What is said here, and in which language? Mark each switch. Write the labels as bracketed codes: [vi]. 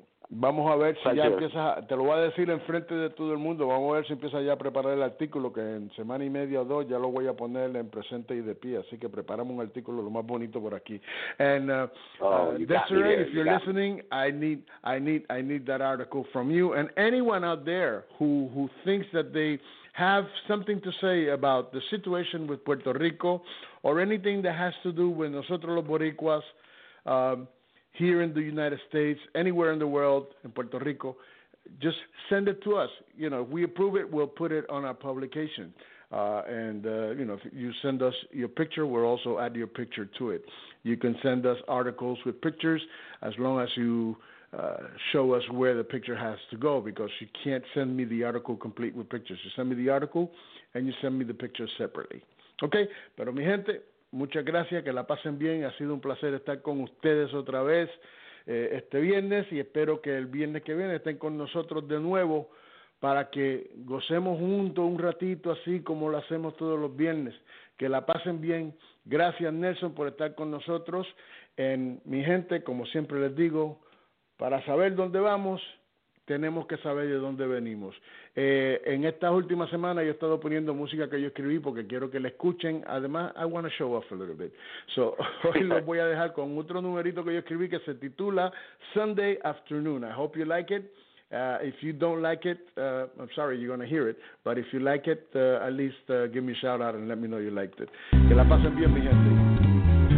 [es] Vamos a ver si ya empiezas, te lo voy a decir en frente de todo el mundo, vamos a ver si empiezas ya a preparar el artículo, que en semana y media o dos ya lo voy a poner en presente y de pie, así que preparamos un artículo lo más bonito por aquí. [en] And Desiree, if you're listening, I need that article from you. And anyone out there who thinks that they have something to say about the situation with Puerto Rico or anything that has to do with [es] nosotros los boricuas, [en] here in the United States, anywhere in the world, in Puerto Rico, just send it to us. You know, if we approve it, we'll put it on our publication. If you send us your picture, we'll also add your picture to it. You can send us articles with pictures as long as you show us where the picture has to go, because you can't send me the article complete with pictures. You send me the article and you send me the picture separately. Okay? [es] Pero mi gente, muchas gracias, que la pasen bien. Ha sido un placer estar con ustedes otra vez este viernes y espero que el viernes que viene estén con nosotros de nuevo para que gocemos juntos un ratito, así como lo hacemos todos los viernes. Que la pasen bien. Gracias, Nelson, por estar con nosotros. En mi gente, como siempre les digo, para saber dónde vamos, tenemos que saber de dónde venimos. En estas últimas semanas yo he estado poniendo música que yo escribí porque quiero que la escuchen. Además, [en] I want to show off a little bit. [es] So, hoy los voy a dejar con otro numerito que yo escribí que se titula Sunday Afternoon. [en] I hope you like it. If you don't like it, I'm sorry, you're going to hear it. But if you like it, at least give me a shout out and let me know you liked it. [es] Que la pasen bien, mi gente.